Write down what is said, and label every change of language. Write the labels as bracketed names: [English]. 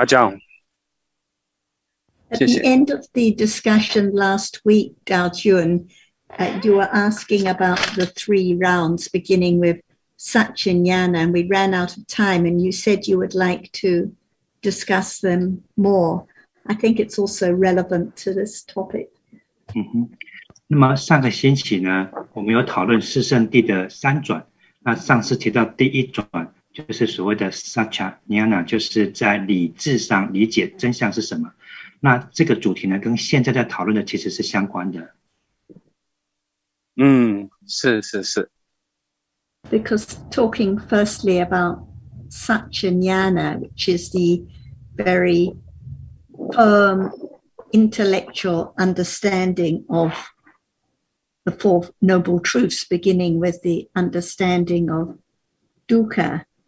[English] At the end of the discussion last week, Dao Jun, you were asking about the three rounds beginning with Satchinyana, and we ran out of time, and you said you would like to discuss them more. I think it's also relevant to this topic. [Chinese] 那么上个星期呢，我们有讨论四圣谛的三转，那上次提到第一转。就是所谓的 Satchinyana， 就是在理智上理解真相是什么。那这个主题呢，跟现在在讨论的其实是相关的。是。 [English] Because talking firstly about Satchinyana, which is the very firm intellectual understanding of the Four Noble Truths, beginning with the understanding of dukkha.